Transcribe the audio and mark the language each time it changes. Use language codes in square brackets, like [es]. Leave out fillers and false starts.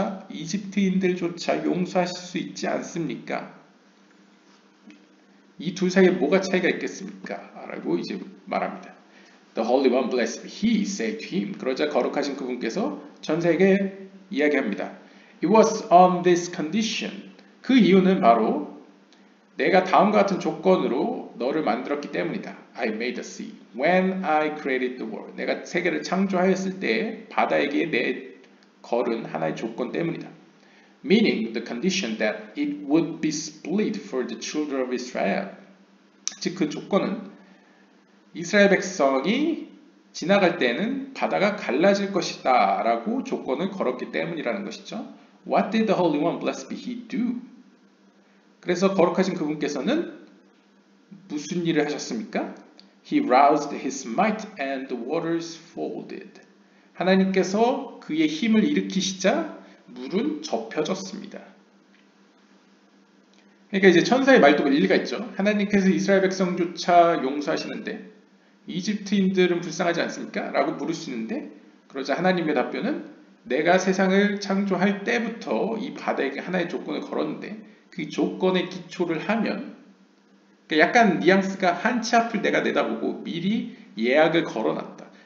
[ko] 이집트인들조차 용서하실 수 있지 않습니까? 이 둘 사이에 뭐가 차이가 있겠습니까? 라고 이제 말합니다. [en] The Holy One, blessed be He, said to him. [ko] 그러자 거룩하신 그분께서 전세에게 이야기합니다. [en] It was on this condition. [ko] 그 이유는 바로 내가 다음과 같은 조건으로 너를 만들었기 때문이다. [en] I made the sea. When I created the world. [ko] 내가 세계를 창조하였을 때 바다에게 내 걸은 하나의 조건 때문이다. [en] Meaning the condition that it would be split for the children of Israel. [ko] 즉 그 조건은 이스라엘 백성이 지나갈 때는 바다가 갈라질 것이다 라고 조건을 걸었기 때문이라는 것이죠. [en] What did the Holy One, blessed be He, do? [ko] 그래서 거룩하신 그분께서는 무슨 일을 하셨습니까? [en] He roused His might and the waters folded. [ko] 하나님께서 그의 힘을 일으키시자 물은 접혀졌습니다. 그러니까 이제 천사의 말뚝은 일리가 있죠. 하나님께서 이스라엘 백성조차 용서하시는데 이집트인들은 불쌍하지 않습니까? 라고 물을 수 있는데 그러자 하나님의 답변은 내가 세상을 창조할 때부터 이 바다에게 하나의 조건을 걸었는데 그 조건의 기초를 하면 그러니까 약간 뉘앙스가 한치 앞을 내가 내다보고 미리 예약을 걸어놨다.